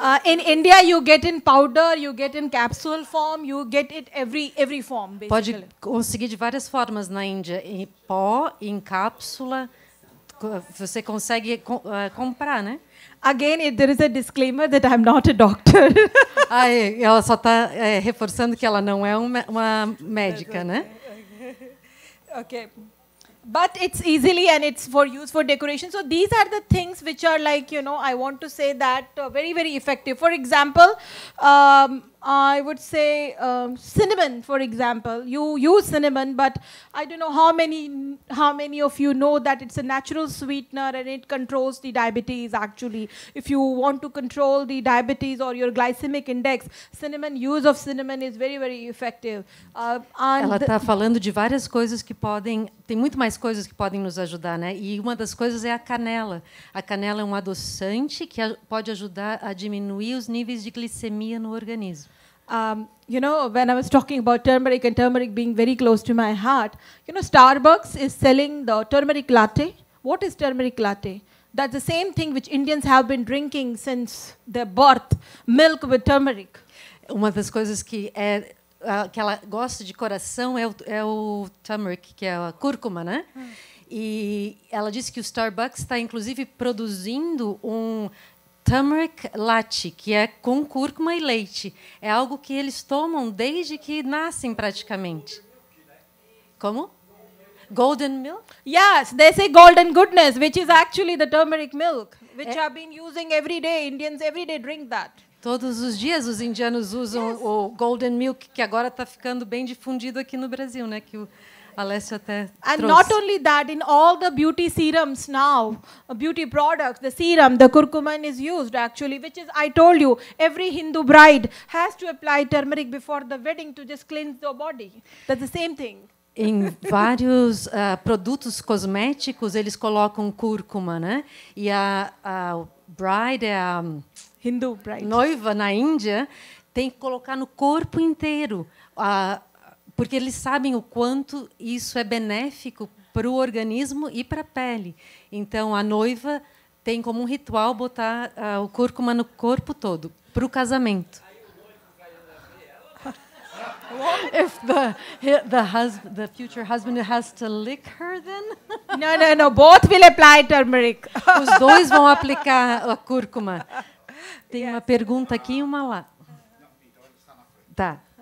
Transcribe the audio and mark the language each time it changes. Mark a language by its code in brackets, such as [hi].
[en] In India, you get in powder, you get in capsule form, you get it every form. Basically. [pt] Pode conseguir de várias formas na Índia, em pó, em cápsula. Você consegue comprar, né? [en] Again, there is a disclaimer that I'm not a doctor. [pt] Aí, ela só está reforçando que ela não é uma médica, né? [en] Okay. But it's easily and it's for use for decoration. So these are the things which are like, you know, I want to say that very, very effective. For example, I would say cinnamon, for example. You use cinnamon, but I don't know how many of you know that it's a natural sweetener and it controls the diabetes, actually. If you want to control the diabetes or your glycemic index, cinnamon, use of cinnamon is very, very effective. [pt] Ela está falando de várias coisas que podem... Tem muito mais coisas que podem nos ajudar, né? E uma das coisas é a canela. A canela é um adoçante que pode ajudar a diminuir os níveis de glicemia no organismo. [en] You know, when I was talking about turmeric and turmeric being very close to my heart, you know, Starbucks is selling the turmeric latte. What is turmeric latte? That's the same thing which Indians have been drinking since their birth, milk with turmeric. [pt] Uma das coisas que é que ela gosta de coração é o turmeric, que é a cúrcuma, né? E ela disse que o Starbucks está inclusive produzindo um turmeric latte, que é com cúrcuma e leite. É algo que eles tomam desde que nascem, praticamente. Como? Golden milk? [en] Yes, they say golden goodness, which is actually the turmeric milk, which I've been using every day. Indians every day drink that. [pt] Todos os dias os indianos usam o golden milk, que agora está ficando bem difundido aqui no Brasil, né? Que o Alessio até trouxe. [en] And not only that, in all the beauty serums now, beauty products, the serum, the curcumin is used actually, which is, I told you, every Hindu bride has to apply turmeric before the wedding to just cleanse their body. That's the same thing. [pt] Em vários produtos cosméticos, eles colocam cúrcuma, né? E a bride é a [en] Hindu bride. [pt] Noiva na Índia tem que colocar no corpo inteiro, porque eles sabem o quanto isso é benéfico para o organismo e para a pele. Então, a noiva tem como um ritual botar o cúrcuma no corpo todo, para o casamento. [en] If the future husband has to lick her, then no. Both will apply turmeric. [pt] Os dois vão aplicar a cúrcuma. Tem uma pergunta aqui e uma lá. Tá.